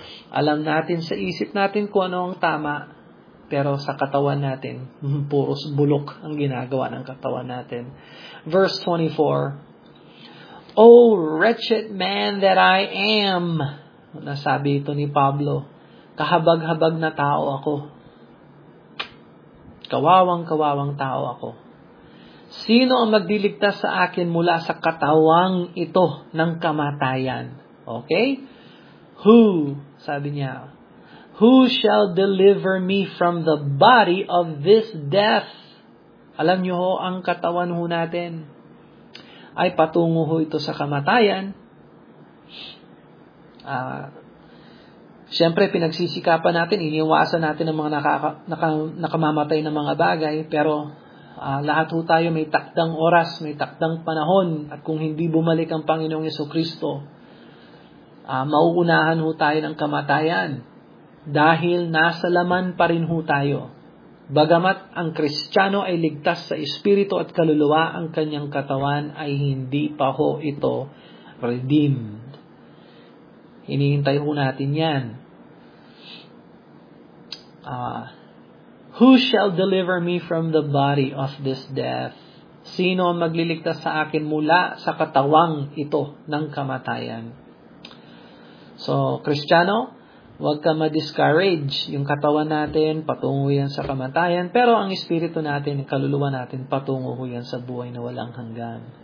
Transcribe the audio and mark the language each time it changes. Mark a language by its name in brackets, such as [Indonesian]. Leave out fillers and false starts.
[Filipino] Alam natin sa isip natin kung ano ang tama, pero sa katawan natin, puros bulok ang ginagawa ng katawan natin. [English] Verse 24, O wretched man that I am! [Filipino] Nasabi ito ni Pablo, kahabag-habag na tao ako. Kawawang-kawawang tao ako. Sino ang magliligtas sa akin mula sa katawang ito ng kamatayan? [English] Okay? Who, [Filipino] sabi niya, [English] who shall deliver me from the body of this death? [Filipino] Alam nyo ho, ang katawan ho natin ay patungo ho ito sa kamatayan. Siyempre, pinagsisikapan natin, iniwasan natin ang mga nakamamatay na mga bagay, pero lahat ho tayo may takdang oras, may takdang panahon, at kung hindi bumalik ang Panginoong Jesucristo, mauunahan ho tayo ng kamatayan dahil nasa laman pa rin ho tayo. Bagamat ang Kristiyano ay ligtas sa espiritu at kaluluwa, ang kanyang katawan ay hindi pa ho ito redeemed. Hinihintay ho natin yan. [English] Who shall deliver me from the body of this death? [Filipino] Sino ang magliligtas sa akin mula sa katawang ito ng kamatayan? So, Kristiyano, huwag ka ma-discourage. Yung katawan natin, patungo yan sa kamatayan. Pero ang espiritu natin, kaluluwa natin, patungo yan sa buhay na walang hanggan.